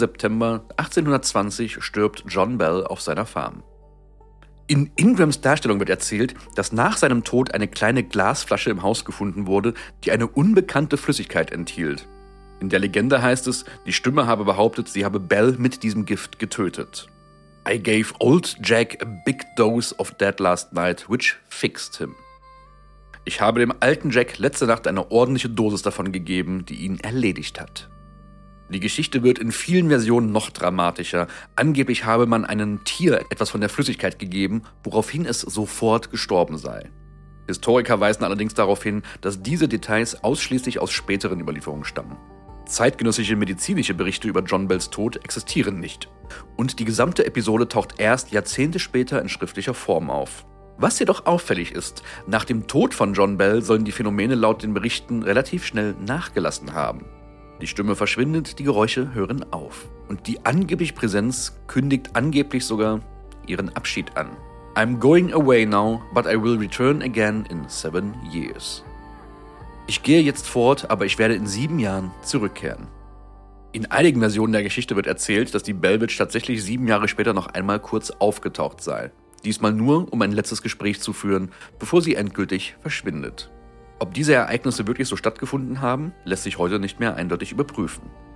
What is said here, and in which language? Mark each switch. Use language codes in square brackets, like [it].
[de] September 1820 stirbt John Bell auf seiner Farm. In Ingrams Darstellung wird erzählt, dass nach seinem Tod eine kleine Glasflasche im Haus gefunden wurde, die eine unbekannte Flüssigkeit enthielt. In der Legende heißt es, die Stimme habe behauptet, sie habe Bell mit diesem Gift getötet. [en] I gave old Jack a big dose of that last night, which fixed him. [de] Ich habe dem alten Jack letzte Nacht eine ordentliche Dosis davon gegeben, die ihn erledigt hat. Die Geschichte wird in vielen Versionen noch dramatischer. Angeblich habe man einem Tier etwas von der Flüssigkeit gegeben, woraufhin es sofort gestorben sei. Historiker weisen allerdings darauf hin, dass diese Details ausschließlich aus späteren Überlieferungen stammen. Zeitgenössische medizinische Berichte über John Bells Tod existieren nicht. Und die gesamte Episode taucht erst Jahrzehnte später in schriftlicher Form auf. Was jedoch auffällig ist, nach dem Tod von John Bell sollen die Phänomene laut den Berichten relativ schnell nachgelassen haben. Die Stimme verschwindet, die Geräusche hören auf. Und die angebliche Präsenz kündigt angeblich sogar ihren Abschied an. [en] I'm going away now, but I will return again in 7 years. [de] Ich gehe jetzt fort, aber ich werde in 7 Jahren zurückkehren. In einigen Versionen der Geschichte wird erzählt, dass die Bellwitch tatsächlich 7 Jahre später noch einmal kurz aufgetaucht sei. Diesmal nur, um ein letztes Gespräch zu führen, bevor sie endgültig verschwindet. Ob diese Ereignisse wirklich so stattgefunden haben, lässt sich heute nicht mehr eindeutig überprüfen.